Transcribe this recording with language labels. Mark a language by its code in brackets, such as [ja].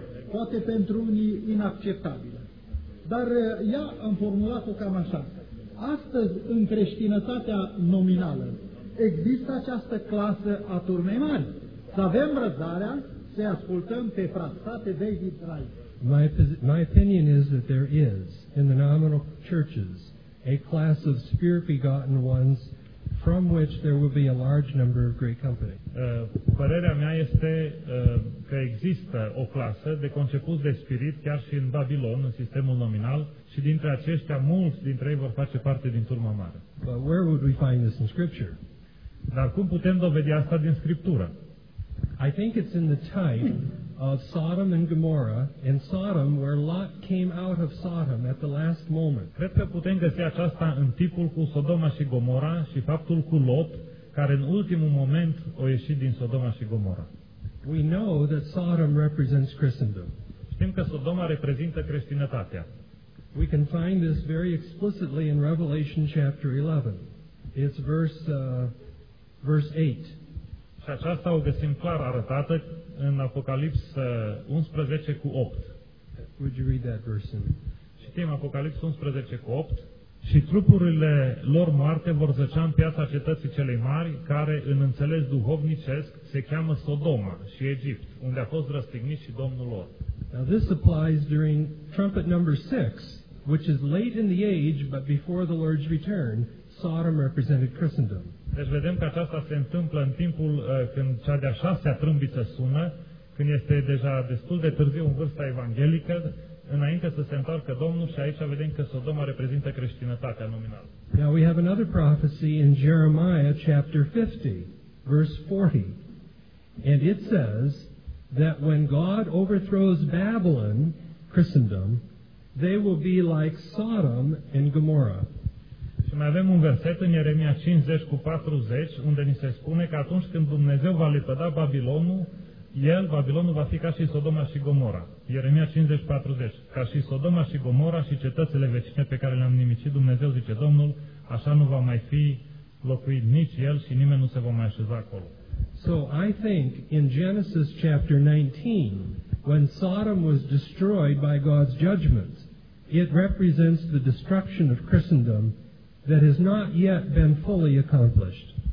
[ro] Poate pentru unii inacceptabilă. Dar ea am formulat-o cam așa. Astăzi, în creștinătatea nominală, există această clasă a turmei mari. Să avem răbdarea să ascultăm pe frate David Wright. [en] My opinion is that there is, in the nominal churches, a class of spirit-begotten ones from which there will be a large number of great company. [ro] Părerea mea este că există o clasă de concepuți de spirit, chiar și în Babilon, în sistemul nominal, și dintre aceștia, mulți dintre ei vor face parte din turma mare. [en] But where would we find this in Scripture? [ro] Dar cum putem dovedi asta din Scriptură? [en] I think it's in the type of Sodom and Gomorrah, and Sodom where Lot came out of Sodom at the last moment. [ro] Cred că putem găsi aceasta în tipul cu Sodoma și Gomora și faptul cu Lot care în ultimul moment a ieșit din Sodoma și Gomora. [en] We know that Sodom represents Christendom. [ro] Știm că Sodoma reprezintă creștinătatea. [en] We can find this very explicitly in Revelation chapter 11. It's verse 8. [ro] Și aceasta o găsim clar arătată în Apocalipsa 11 cu 8. [en] Would you read that verse? [ro] Citim Apocalipsa 11 cu 8. Și trupurile lor moarte vor zăcea în piața cetății celei mari, care în înțeles duhovnicesc se cheamă Sodoma și Egipt, unde a fost răstignit și Domnul lor. [en] Now this applies during trumpet number 6, which is late in the age, but before the Lord's return, Sodom represented Christendom. [ro] Deci vedem că aceasta se întâmplă în timpul când cea de-a șasea trâmbiță sună, când este deja destul de târziu în vârsta evanghelică, înainte să se întoarcă Domnul, și aici vedem că Sodoma reprezintă creștinătatea nominală. [en] Now we have another prophecy in Jeremiah chapter 50, verse 40. And it says that when God overthrows Babylon, Christendom, they will be like Sodom and Gomorrah. [ro] Și mai avem un verset în Ieremia 50 cu 40, unde ni se spune că atunci când Dumnezeu va lepăda Babilonul, el, Babilonul, va fi ca și Sodoma și Gomora. Ieremia 50, 40. Ca și Sodoma și Gomora și cetățile vecine pe care le-am nimicit, Dumnezeu, zice Domnul, așa nu va mai fi locuit nici el și nimeni nu se va mai așeza acolo. [en] So I think in Genesis chapter 19, when Sodom was destroyed by God's judgment, it represents the destruction of Christendom that has not yet been fully accomplished.